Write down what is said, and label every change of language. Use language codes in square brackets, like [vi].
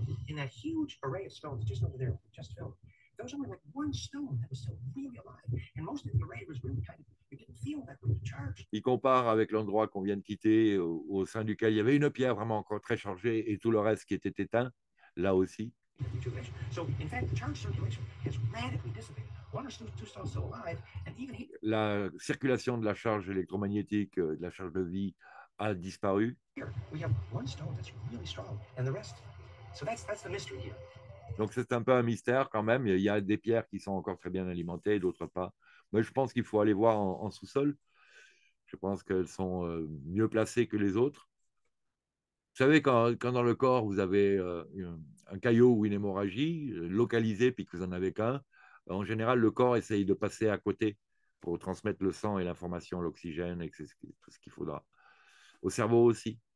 [en] In that huge array of stones just over there, just filled, there was only like one stone that was still really alive, and most of the array was really kind of, you didn't feel that really charged. [fr] Il compare avec l'endroit qu'on vient de quitter, au sein duquel il y avait une pierre vraiment encore très chargée, et tout le reste qui était éteint, là aussi. [en] So, in fact, the charge circulation has radically dissipated. One or two stones still alive, and even here. [fr] La circulation de la charge électromagnétique, de la charge de vie, a disparu. [en] Here, we have one stone that's really strong, and the rest. So that's the mystery here. [fr] Donc c'est un peu un mystère quand même. Il y a des pierres qui sont encore très bien alimentées, d'autres pas. Mais je pense qu'il faut aller voir en sous-sol. Je pense qu'elles sont mieux placées que les autres. Vous savez, quand dans le corps vous avez un caillot ou une hémorragie localisée, puis que vous n'en avez qu'un, en général le corps essaye de passer à côté pour transmettre le sang et l'information, l'oxygène, et tout ce qu'il faudra. Au cerveau aussi.